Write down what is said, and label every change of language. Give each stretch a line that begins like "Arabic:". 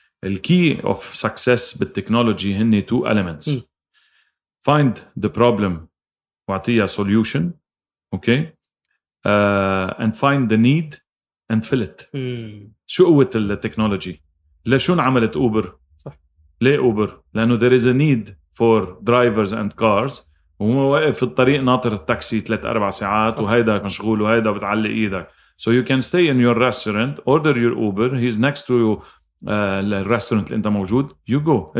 English: الكي of success بالتكنولوجي
Arabic: هني
English: two elements, find the problem
Arabic: وعطيها
English: solution، okay، and find the need and fill it.
Arabic: شو قوة التكنولوجي؟ لشو عملت أوبر؟ صح. ليه أوبر؟ لأنه
English: there is a need for drivers and cars،
Arabic: وهم واقف في الطريق ناطر التاكسي 3-4 ساعات. صح. وهيدا مشغول وهيدا بتعلق إيدك.
English: So you can stay in your restaurant, order your Uber, he's next to you.
Arabic: الريستورنت اللي أنت موجود،
English: you go.